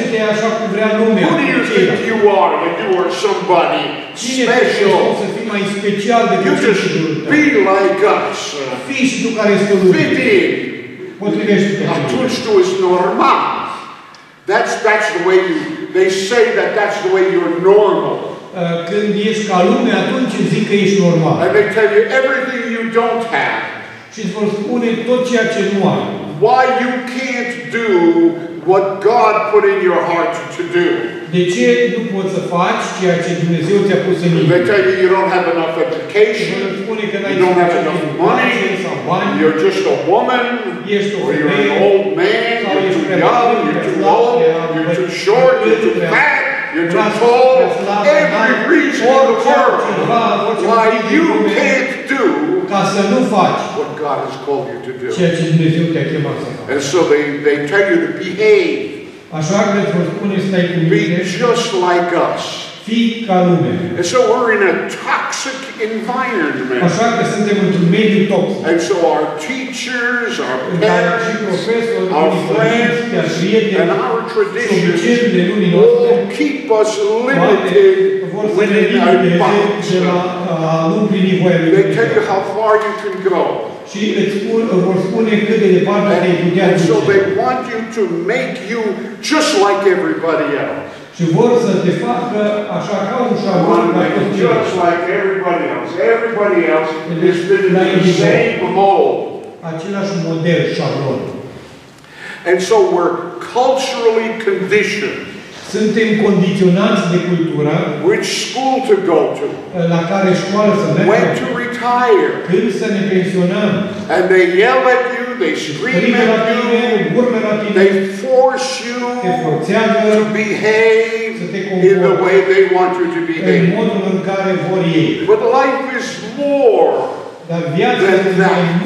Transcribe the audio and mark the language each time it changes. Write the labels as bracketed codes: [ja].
[en] Who do you think you are that you are somebody special? You just be like us. Fit in. [ro] Atunci tu ești normal. [en] That's the way you, they say that that's the way you're normal. [ro] Când ești ca lume, atunci zic că ești normal. [en] And they tell you everything you don't have. [ro] Și îți vor spune tot ceea ce nu ai. [en] Why you can't do what God put in your heart to do. [ro] De ce nu poți să faci ceea ce Dumnezeu ți-a pus în inimă? [en] They tell you you don't have enough education. [ro] Îți spune că n-ai bani. [en] You're just a woman. [ro] Ești o femeie. [en] You're an old man. You're too young. You're too old. You're too short. You're too fat. You're to call every reason in the world why you can't do [ro] ca să nu faci [en] what God has called you to do. [ro] Ceea ce Dumnezeu te-a chemat să faci. [en] And so they tell you to behave. [ro] Așa că îți vor spune stai cu mine. [en] Be just like us. [ro] Fii ca lume. [en] And so we're in a toxic environment. [ro] Așa că suntem într-un mediu toxic. [en] And so our teachers, our parents, our friends, and our traditions all keep us limited within our box. They tell you how far you can go. [ro] Și vor spune cât de departe ai putea duce. [en] So they want you to make you just like everybody else. [ro] Și vor să te facă așa ca un șablon mai tot ceva. [en] Just like everybody else. Everybody else is fitting in the same mold. [ro] Același model, șablon. [en] And so we're culturally conditioned. [ro] Suntem condiționați de cultură. [en] Which school to go to. [ro] La care școală să mergem. [en] When to retire. [ro] Când să ne pensionăm. [en] And they yell at you. they scream at you, they force you to behave in the way they want you to behave. But life is more than that.